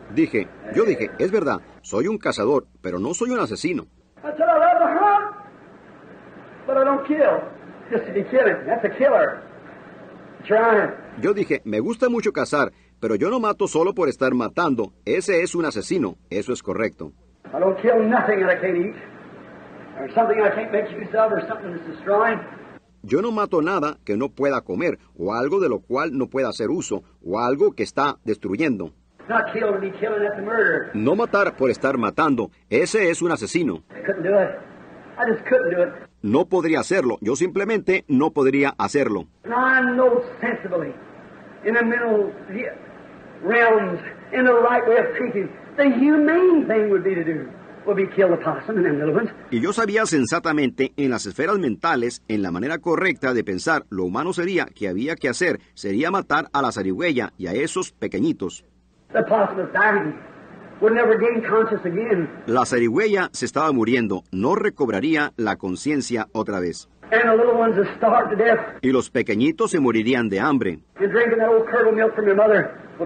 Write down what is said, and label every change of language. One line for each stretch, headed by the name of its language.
Spanish: Dije, yo dije, es verdad, soy un cazador, pero no soy un asesino.
English: I said, I love to hunt, but I don't kill. Just to be killing, that's a killer. Trying.
Spanish: Yo dije, me gusta mucho cazar, pero yo no mato solo por estar matando. Ese es un asesino. Eso es correcto.
English: I don't kill nothing that I can't eat. There's something I can't make use of, or something that's destroying.
Spanish: Yo no mato nada que no pueda comer, o algo de lo cual no pueda hacer uso, o algo que está destruyendo.
English: Not kill, be killing, that's a murder.
Spanish: No matar por estar matando, ese es un asesino.
English: I couldn't do it. I just couldn't do it.
Spanish: No podría hacerlo. Yo simplemente no podría hacerlo.
English: And I know sensibly, in the middle realms, in the right way of thinking, the humane thing would be to do. Would be kill the possum and the little ones.
Spanish: Y yo sabía sensatamente en las esferas mentales, en la manera correcta de pensar, lo humano sería que había que hacer, sería matar a la zarigüeya y a esos pequeñitos.
English: The possum is dying. Would never gain conscious again.
Spanish: La zarigüeya se estaba muriendo, no recobraría la conciencia otra vez.
English: And the little ones are starved to death.
Spanish: Y los pequeñitos se morirían de hambre.
English: And drinking that old curdled milk from your mother.